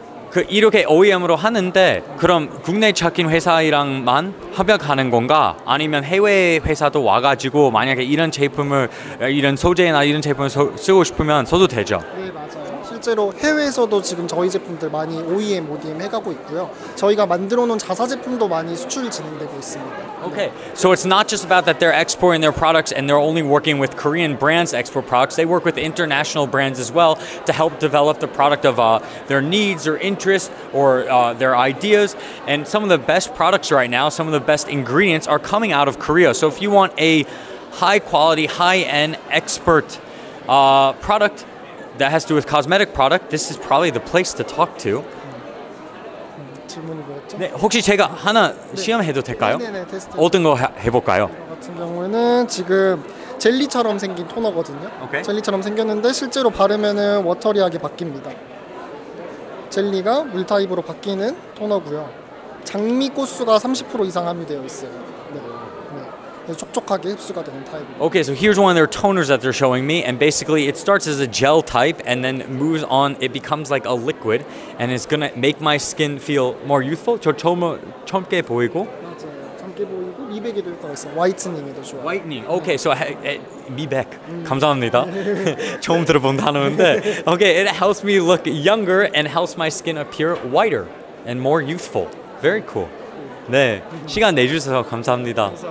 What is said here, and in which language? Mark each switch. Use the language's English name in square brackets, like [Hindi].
[Korean] 그 이렇게 OEM으로 하는데 그럼 국내 착인 회사랑만 협약하는 건가? 아니면 해외 회사도 와가지고 만약에 이런 제품을 이런 소재나 이런 제품을 쓰고 싶으면 써도 되죠? 네 맞아요. 실제로 해외에서도 지금 저희 제품들 많이 OEM, ODM 해가고 있고요. 저희가 만들어놓은 자사 제품도 많이 수출이 진행되고 있습니다. [English] Okay, so it's not just about that they're exporting their products and they're only working with Korean brands to export products. They work with international brands as well to help develop the product of their needs or interests or their ideas. And some of the best products right now, some of the best ingredients are coming out of Korea. So if you want a high quality, high-end expert product that has to do with cosmetic product, this is probably the place to talk to. [Korean] 네, 혹시 제가 하나 시험해도 될까요? 네네, 테스트. 어떤 거 해볼까요? 같은 경우에는 지금 젤리처럼 생긴 토너거든요. [English] Okay. [Korean] 젤리처럼 생겼는데 실제로 바르면은 워터리하게 바뀝니다. 젤리가 물 타입으로 바뀌는 토너고요. 장미꽃수가 30% 이상 함유되어 있어요. 촉촉하게 흡수가 되는 타입. [English] Okay, so here's one of their toners that they're showing me, and basically it starts as a gel type and then moves on, it becomes like a liquid, and it's gonna make my skin feel more youthful. [Korean] 저 젊게 보이고. 미백에도 효과가 있어요. 화이트닝에도 좋아요. 화이트닝. 오케이. [English] Okay, so [Korean] 미백. 감사합니다. 처음 들어본 단어인데. [English] Okay, it helps me look younger and helps my skin appear whiter and more youthful. Very cool. [Korean] 네, 시간 내주셔서 감사합니다.